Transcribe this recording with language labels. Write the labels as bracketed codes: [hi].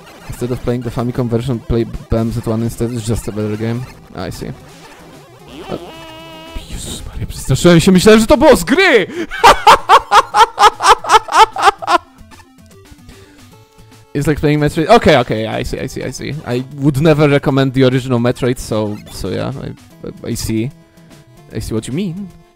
[en] Instead of playing the Famicom version, play BMZ1 instead. It's just a better game. I see. [pl] Jezus Maria, przestraszyłem się. Myślałem, że to było z gry! [en] It's like playing Metroid. Okay, I see. I would never recommend the original Metroid, so yeah, I see what you mean.